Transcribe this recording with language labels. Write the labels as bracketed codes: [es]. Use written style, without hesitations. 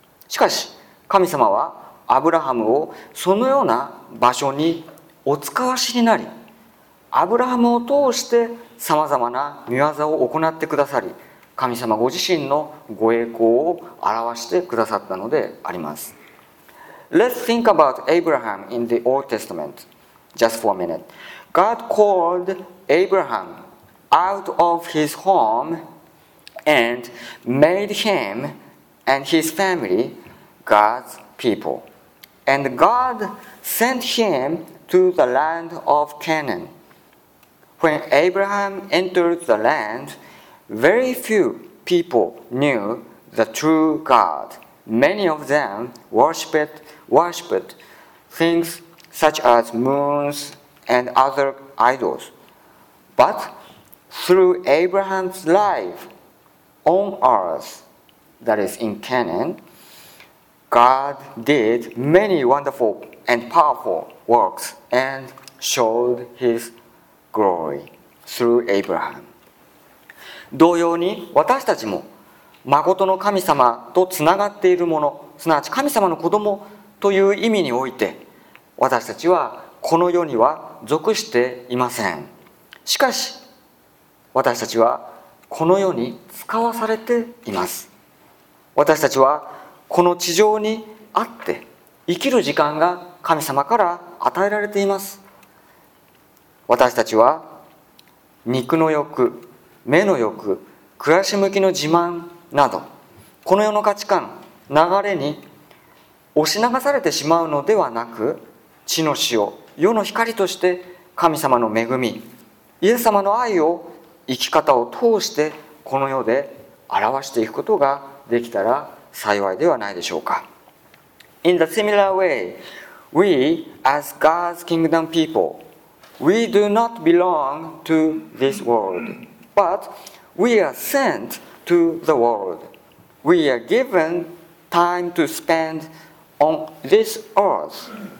[ja] しかし神様はアブラハムをそのような場所にお使わしになり、アブラハムを通して様々な御業を行ってくださり、神様ご自身のご栄光を表してくださったのであります。 [en] Let's think about Abraham in the Old Testament just for a minute. God called Abraham out of his home and made him and his family God's people. And God sent him to the land of Canaan. When Abraham entered the land, very few people knew the true God. Many of them worshipped things such as moons and other idols. But through Abraham's life on earth, that is in Canaan, God did many wonderful and powerful works and showed his glory through Abraham. [ja] 同様に私たちも誠の神様とつながっているもの、すなわち神様の子供という意味において、私たちはこの世には属していません。しかし、私たちはこの世に使わされています。私たちはこの地上にあって生きる時間が神様から与えられています。私たちは肉の欲、目の欲、暮らし向きの自慢など、この世の価値観、流れに押し流されてしまうのではなく、地の塩、世の光として神様の恵み、イエス様の愛を生き方を通してこの世で表していくことができたら幸いではないでしょうか。 [en] In the similar way, we as God's kingdom people, we do not belong to this world, but we are sent to the world. We are given time to spend on this earth.